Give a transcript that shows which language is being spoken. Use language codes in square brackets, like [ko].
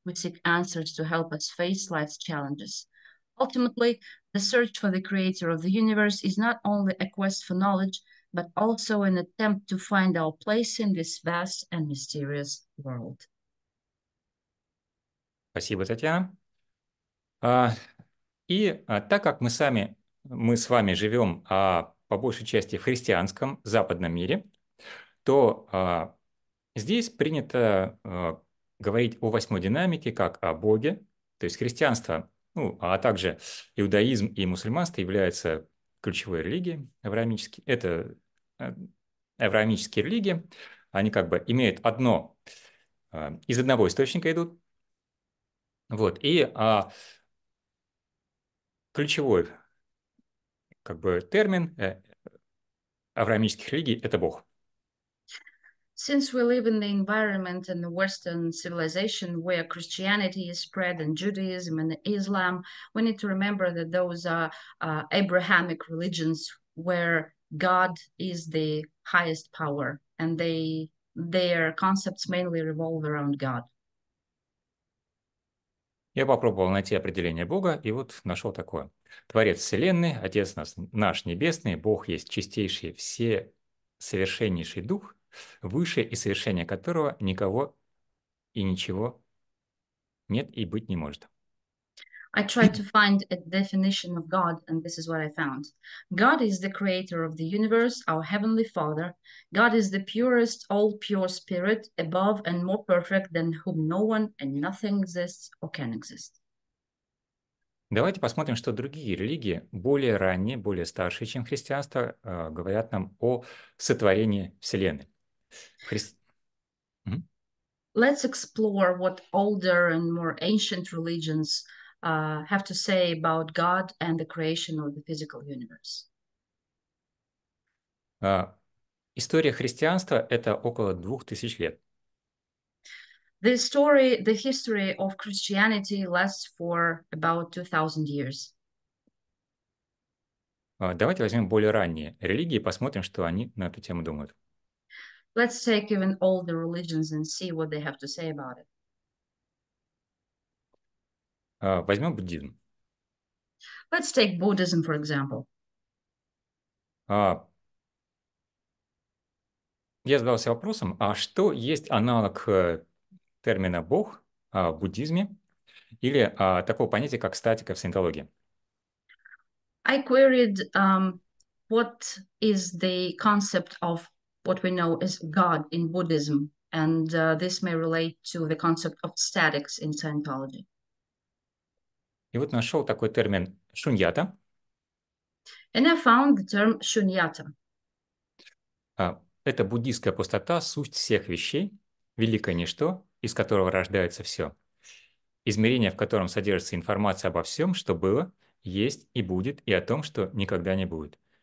[en] We seek answers to help us face life's challenges. Ultimately, the search for the creator of the universe is not only a quest for knowledge, but also an attempt to find our place in this vast and mysterious world. [ru] Спасибо, Татьяна. Так как мы с вами живем по большей части в христианском западном мире, то здесь принято говорить о восьмой динамике как о Боге, то есть христианство, ну, а также иудаизм и мусульманство являются ключевой религией авраамической. Это авраамические религии, они как бы имеют одно, из одного источника идут. Вот, и ключевой как бы термин авраамических религий – это Бог. [en] Since we live in the environment and the Western civilization where Christianity is spread and Judaism and Islam, we need to remember that those are Abrahamic religions where God is the highest power and their concepts mainly revolve around God. [ru] Я попробовал найти определение Бога и вот нашел такое. Творец Вселенной, Отец наш Небесный, Бог есть чистейший, всесовершеннейший Дух, выше и совершение которого никого и ничего нет и быть не может. [en] I tried to find a definition of God, and this is what I found. God is the creator of the universe, our heavenly Father. God is the purest, all pure spirit, above and more perfect than whom no one and nothing exists or can exist. [ru] Давайте посмотрим, что другие религии, более ранние, более старшие, чем христианство, говорят нам о сотворении Вселенной. [en] Let's explore what older and more ancient religions have to say about God and the creation of the physical universe. [ru] История христианства – это около 2000 лет. [en] The history of Christianity lasts for about 2000 years. [ru] Давайте возьмем более ранние религии и посмотрим, что они на эту тему думают. [en] Let's take even older religions and see what they have to say about it. [ru] Возьмем буддизм. [en] Let's take Buddhism, for example. [ru] Я задался вопросом, а что есть аналог термина «бог» в буддизме или такого понятия, как статика в саентологии? [en] I queried, what is the concept of what we know as God in Buddhism, and this may relate to the concept of statics in Scientology. [ru] И вот нашел такой термин шуньята. [en] And I found the term shunyata. [ru] Это буддийская пустота, суть всех вещей, великое ничто, из которого рождается все. Измерение, в котором содержится информация обо всем, что было, есть и будет, и о том, что никогда не будет.